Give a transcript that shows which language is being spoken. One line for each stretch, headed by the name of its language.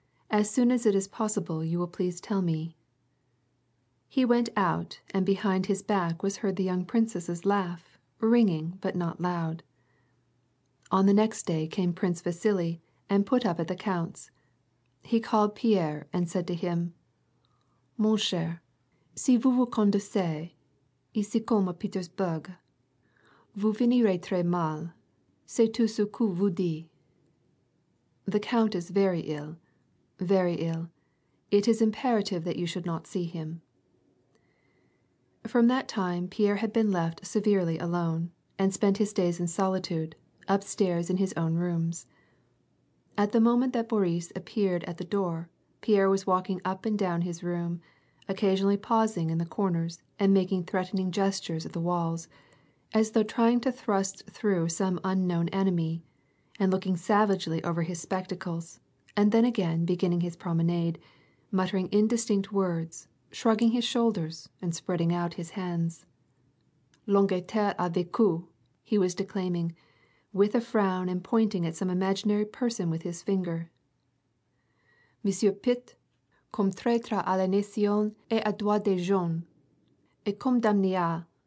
English: As soon as it is possible, you will please tell me." He went out, and behind his back was heard the young princess's laugh, ringing but not loud. On the next day came Prince Vasily and put up at the Count's. He called Pierre and said to him,
French: "Mon cher, si vous vous conduisez ici comme à Petersburg, vous finirez très mal. C'est tout ce que vous dites."
English: "The Count is very ill, very ill. It is imperative that you should not see him." From that time Pierre had been left severely alone, and spent his days in solitude, upstairs in his own rooms. At the moment that Boris appeared at the door, Pierre was walking up and down his room, occasionally pausing in the corners and making threatening gestures at the walls, as though trying to thrust through some unknown enemy, and looking savagely over his spectacles, and then again beginning his promenade, muttering indistinct words, shrugging his shoulders and spreading out his hands.
French: "L'Angleterre a vécu,"
English: he was declaiming, with a frown and pointing at some imaginary person with his finger.
French: "Monsieur Pitt, comme traître à la nation et à droit des gens, et comme damné à..."